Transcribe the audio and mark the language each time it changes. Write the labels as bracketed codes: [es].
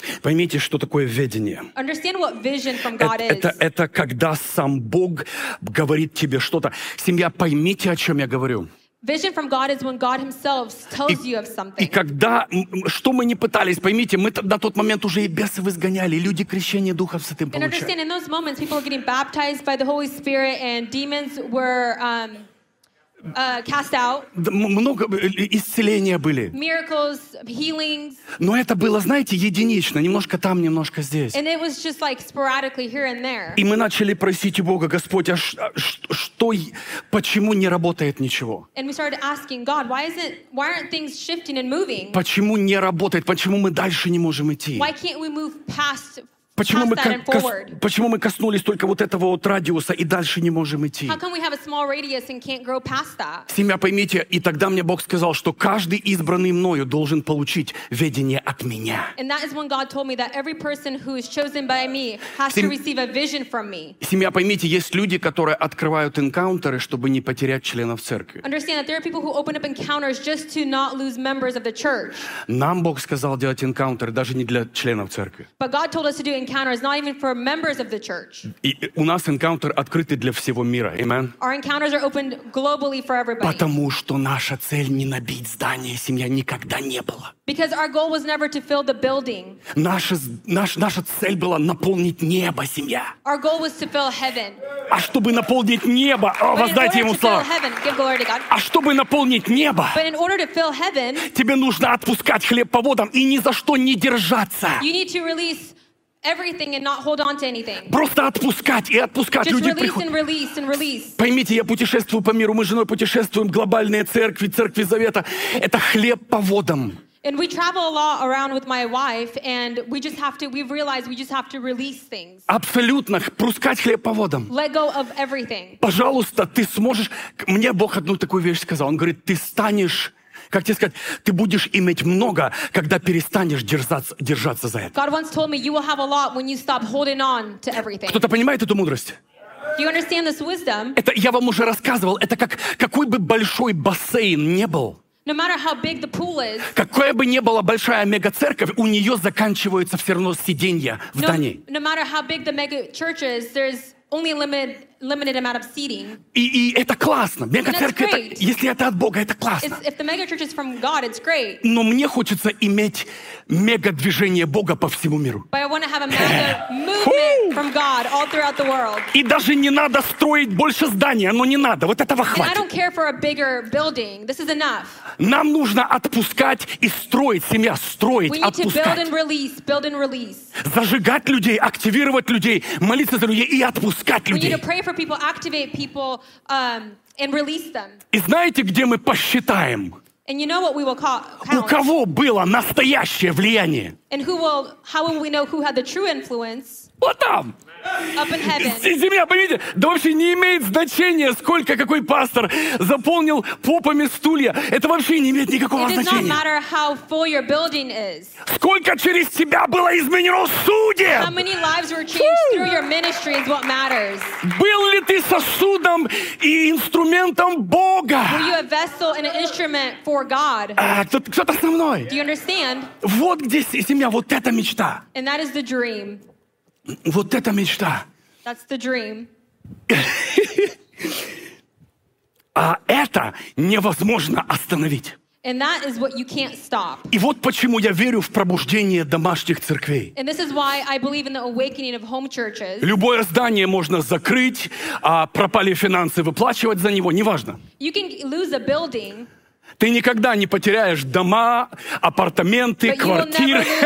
[ru] Поймите, что такое ведение. [en] Understand what vision from God is. [ru] Это когда сам Бог говорит тебе что-то. Семья, поймите, о чем я говорю. [en] Vision from God is when God himself tells you of something. [ru] И когда, что мы не пытались, поймите, мы на тот момент уже и бесов изгоняли, люди крещение Духа Святым получали. [en] And understand, in those moments, people were getting baptized by the Holy Spirit and demons were cast out. [ru] Много исцеления были. [en] Miracles, healings. [ru] Но это было, знаете, единично, немножко там, немножко здесь. [en] And it was just like sporadically here and there. [ru] И мы начали просить у Бога, Господь, а что, почему не работает ничего? [en] And we started asking God, why aren't things shifting and moving? [ru] Почему не работает? Почему мы дальше не можем идти? [en] Why can't we move past? [ru] Почему мы, почему мы коснулись только вот этого вот радиуса и дальше не можем идти? [en] How come we have a small radius and can't grow past that? [ru] Семья, поймите, и тогда мне Бог сказал, что каждый избранный мною должен получить ведение от меня. [en] And that is when God told me that every person who is chosen by me has to receive a vision from me. [ru] Семья, поймите, есть люди, которые открывают энкаунтеры, чтобы не потерять членов церкви. [en] Understand that there are people who open up encounters just to not lose members of the church. [ru] Нам Бог сказал делать энкаунтеры даже не для членов церкви. [en] But God told us to do encounter is not even for members of the church. [ru] И у нас encounter открытый для всего мира. [en] Amen. Our encounters are opened globally for everybody. [ru] Потому что наша цель не набить здание, семья никогда не была. [en] Because our goal was never to fill the building. [ru] Наша цель была наполнить небо, семья. [en] Our goal was to fill heaven. [ru] А чтобы наполнить небо, воздайте ему славу. [en] Heaven, give glory to God. [ru] А чтобы наполнить небо, [en] but in order to fill heaven, [ru] тебе нужно отпускать хлеб по водам и ни за что не держаться. [en] You need to release everything and not hold on to anything. [ru] Просто отпускать и отпускать. [en] Just [ru] люди [en] release [ru] приходят. [en] And release and release. [ru] Поймите, я путешествую по миру, мы с женой путешествуем, глобальные церкви, церкви завета. Это хлеб по водам. [en] And we travel a lot around with my wife, and we just have to. We've realized we just have to release things. [ru] Абсолютно, пускать хлеб по водам. [en] Let go of everything. [ru] Пожалуйста, ты сможешь. Мне Бог одну такую вещь сказал. Он говорит, ты станешь. Как тебе сказать, ты будешь иметь много, когда перестанешь держаться за это. [en] God once told me you will have a lot when you stop holding on to everything. [ru] Кто-то понимает эту мудрость? [en] Do you understand this wisdom? [ru] Это я вам уже рассказывал. Это как какой бы большой бассейн не был. [en] No matter how big the pool is, [ru] какая бы ни была большая мега-церковь, у нее заканчиваются все равно сиденья в здании. [en] No matter how big the mega church is, there's only a limited amount of seating. [ru] И это классно. Мега-церковь, это, если это от Бога, это классно. [en] If the mega church is from God, it's great. [ru] Но мне хочется иметь мега-движение Бога по всему миру. [en] But I want to have a mega movement from God all throughout the world. [ru] И даже не надо строить больше зданий, оно не надо. Вот этого хватит. [en] And I don't care for a bigger building. This is enough. [ru] Нам нужно отпускать и строить, семья, строить, отпускать. [en] We need to build and release, build and release. [ru] Зажигать людей, активировать людей, молиться за людей и отпускать людей. [en] We need to pray for people, activate people, and release them. [ru] И знаете, где мы посчитаем? [en] And you know what we will call, count? [ru] У кого было настоящее влияние? [en] And who will, how will we know who had the true influence? [ru] Вот там! [en] Up in heaven. [ru] Земля, поймите, да вообще не имеет значения, сколько какой пастор заполнил попами стулья. Это вообще не имеет никакого значения. [en] It does not matter how full your building is. [ru] Сколько через тебя было изменено судеб? [en] How many lives were changed through your ministry is what matters. [ru] Был ли ты сосудом и инструментом Бога? [en] Were you a vessel and an instrument for God? [ru] Кто-то со мной. [en] Do you understand? [ru] Вот где земля, вот эта мечта. [en] And that is the dream. [ru] Вот это мечта. [en] That's the dream. [ru] А это невозможно остановить. [en] And that is what you can't stop. [ru] И вот почему я верю в пробуждение домашних церквей. [en] And this is why I believe in the awakening of home churches. [ru] Любое здание можно закрыть, а пропали финансы выплачивать за него, неважно. [en] You can lose a building. [ru] Ты никогда не потеряешь дома, апартаменты, квартиры.